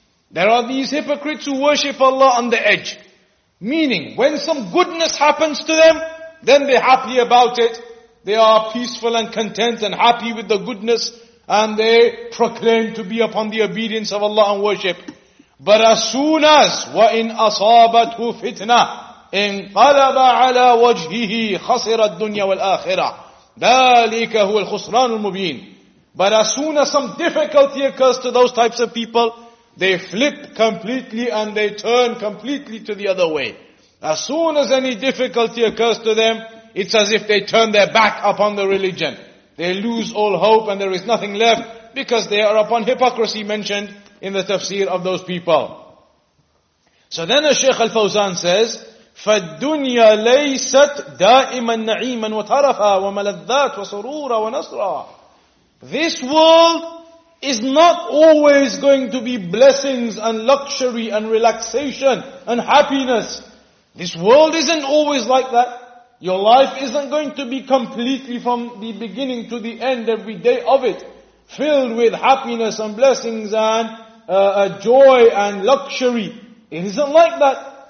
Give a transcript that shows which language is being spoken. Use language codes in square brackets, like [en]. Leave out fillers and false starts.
[en] There are these hypocrites who worship Allah on the edge. Meaning, when some goodness happens to them, then they're happy about it. They are peaceful and content and happy with the goodness, and they proclaim to be upon the obedience of Allah and worship. But as soon as [ar] وَإِنْ أَصَابَتْهُ فِتْنَةٍ انْقَلَبَ عَلَى وَجْهِهِ خَسِرَ الدُّنْيَا وَالْآخِرَةِ ذَلِكَ هُوَ الْخُسْرَانُ الْمُبِينُ. [en] But as soon as some difficulty occurs to those types of people, they flip completely and they turn completely to the other way. As soon as any difficulty occurs to them, it's as if they turn their back upon the religion. They lose all hope and there is nothing left because they are upon hypocrisy mentioned in the tafsir of those people. So then the Shaykh Al-Fawzan says, [ar] فَالدُّنْيَا لَيْسَتْ دَائِمًا نَعِيمًا وَتَرَفًا وَمَلَذَّاتْ وَصُرُورًا وَنَصْرًا. [en] This world is not always going to be blessings and luxury and relaxation and happiness. This world isn't always like that. Your life isn't going to be completely from the beginning to the end, every day of it, filled with happiness and blessings and joy and luxury. It isn't like that.